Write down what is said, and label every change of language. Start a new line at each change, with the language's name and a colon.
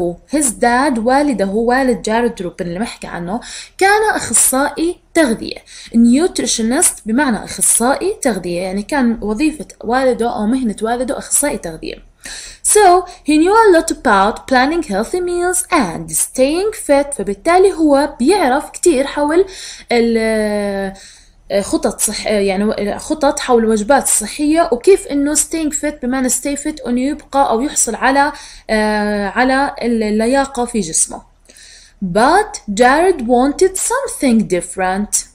Arabic: والده والد جارد روبن اللي محكي عنه كان أخصائي تغذية. nutritionist بمعنى أخصائي تغذية، يعني كان وظيفة والده أو مهنة والده أخصائي تغذية.
English: So he knew a lot about planning healthy meals and staying fit.
Arabic: فبالتالي هو بيعرف كتير حول ال خطط صح يعني خطط حول الوجبات الصحية وكيف إنه staying fit بمعنى stay fit أن يبقى أو يحصل على على اللياقة في جسمه.
English: But Jared wanted something different.